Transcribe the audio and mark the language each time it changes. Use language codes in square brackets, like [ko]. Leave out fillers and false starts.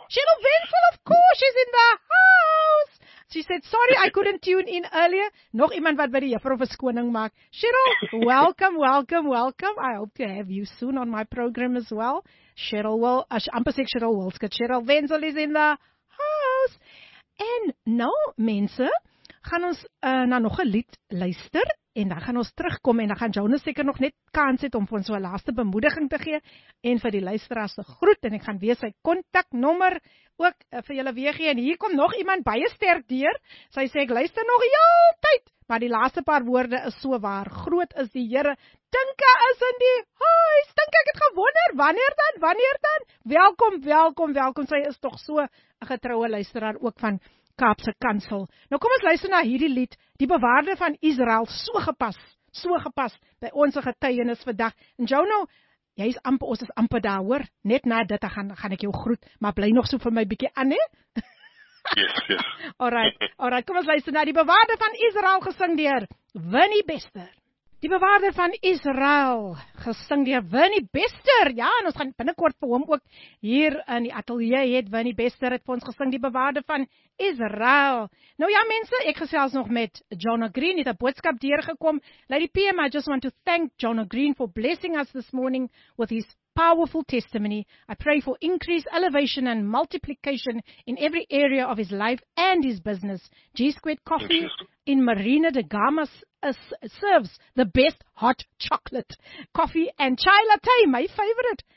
[en] Cheryl Wenzel, of course, she's in the house. She said, sorry, I couldn't tune in earlier. [af] Nog iemand wat by die juffrou verskoning maak. [en] Cheryl, welcome, welcome, welcome. I hope to have you soon on my program as well. Cheryl Wil, [af] amper sê [en] Cheryl Wil, Cheryl Wenzel is in the house. [af] En nou, mense, gaan ons na nog 'n lied luister. En dan gaan ons terugkom en dan gaan Jonas seker nog net kans het om vir ons so 'n laaste bemoediging te gee en vir die luisteraars te groet en ek gaan weer sy kontaknommer ook vir julle weer gee en hier kom nog iemand baie sterk deur. Sy sê ek luister nog heeltyd, maar die laaste paar woorde is so waar. Groot is die Here. Tinka is in die huis. Tinka, ek het gewonder wanneer dan? Welkom, welkom, welkom. Sy is tog so 'n getroue luisteraar ook van Kaapse Kansel. Nou kom ons luister na hierdie lied, die bewaarde van Israel, so gepas by ons getuienis vandag. En Jono, jy is amper, ons is amper daar hoor, net na dit gaan ek jou groet, maar bly nog so vir my bykie aan, hè? [en] Yes, yes. [af] Alright, kom ons luister na die bewaarde van Israel gesing deur Winnie Bester. die bewaarder van Israel, gesing deur Winnie Bester. Ja, en ons gaan binnenkort vir hom ook hier in die atelier het. Winnie Bester het vir ons gesing die bewaarder van Israel. Nou ja mense, ek gesels nog met Jonah Green, het 'n boodskap deurgekom. [en] Lady PM, I just want to thank Jonah Green for blessing us this morning with his powerful testimony. I pray for increase, elevation and multiplication in every area of his life and his business. G-Squared Coffee in Marina de Gama serves the best hot chocolate coffee and chai latte, my favorite.